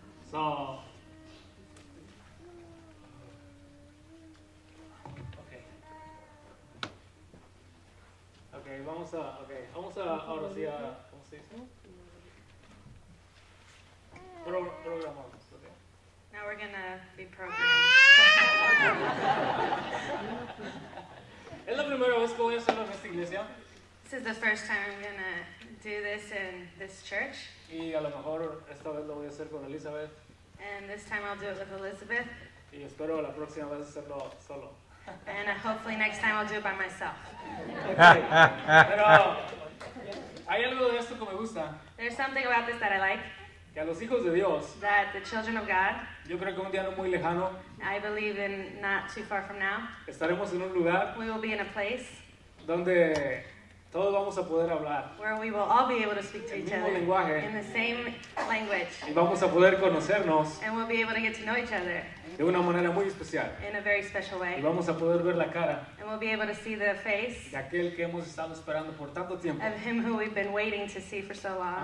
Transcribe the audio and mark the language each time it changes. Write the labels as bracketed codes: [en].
[es] So, okay, vamos a, ahora sí a, ¿cómo se dice? Programamos, okay. [en] Now we're gonna be programmed. [es] Es la primera vez que voy a hacerlo en esta iglesia. [en] This is the first time I'm gonna do this in this church. [es] Y a lo mejor esta vez lo voy a hacer con Elizabeth. [en] And this time I'll do it with Elizabeth. [es] Y espero la próxima vez hacerlo solo. [en] And hopefully next time I'll do it by myself. Okay. [es] Pero hay algo de esto que me gusta. [en] There's something about this that I like. [es] Que a los hijos de Dios. [en] That the children of God. [es] Yo creo que un día no muy lejano. [en] I believe in not too far from now. [es] Estaremos en un lugar. [en] We will be in a place. [es] Donde todos vamos a poder hablar. [en] Where we will all be able to speak to [es] el [en] each [es] mismo [en] other. [es] Lenguaje. [en] In the same language. [es] Y vamos a poder conocernos. [en] And we'll be able to get to know each other. [es] De una manera muy especial. [en] In a very special way. [es] Y vamos a poder ver la cara. [en] And we'll be able to see the face. [es] De aquel que hemos estado esperando por tanto tiempo. [en] Of him who we've been waiting to see for so long.